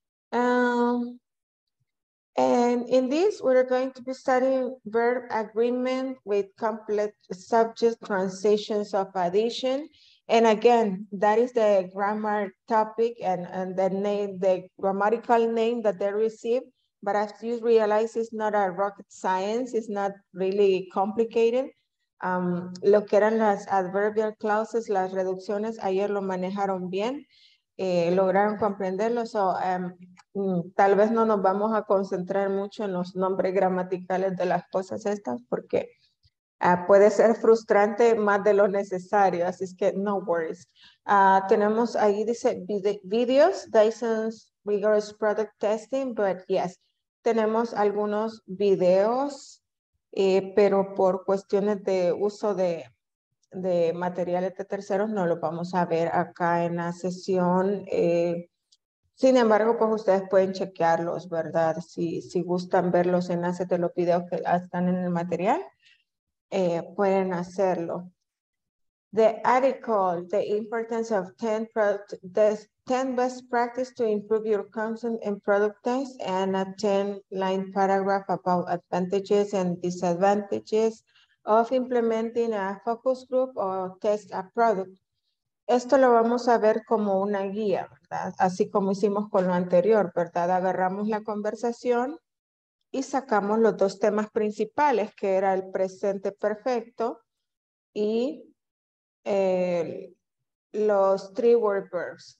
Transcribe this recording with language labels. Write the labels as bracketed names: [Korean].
[English] And in this, we're going to be studying verb agreement with complex subject transitions of addition. And again, that is the grammar topic and the name, the grammatical name that they receive. But as you realize, it's not a rocket science. It's not really complicated. [Spanish] Lo que eran las adverbial clauses, las reducciones, ayer lo manejaron bien. Lograron comprenderlo. So, tal vez no nos vamos a concentrar mucho en los nombres gramaticales de las cosas estas porque puede ser frustrante más de lo necesario. Así es que [English] no worries. [Spanish] Tenemos ahí dice videos, [English] Dyson's rigorous product testing, but yes, [Spanish] tenemos algunos videos, pero por cuestiones de uso de materiales de terceros no lo vamos a ver acá en la sesión. Sin embargo, pues ustedes pueden chequearlos, ¿verdad? Si gustan ver los enlaces de los videos que están en el material, pueden hacerlo. [English] The article, the importance of 10 product, the 10 best practices to improve your content and product test, and a 10-line paragraph about advantages and disadvantages of implementing a focus group or test a product. [Spanish] Esto lo vamos a ver como una guía, ¿verdad? Así como hicimos con lo anterior, ¿verdad? Agarramos la conversación y sacamos los dos temas principales, que era el presente perfecto y los three word verbs.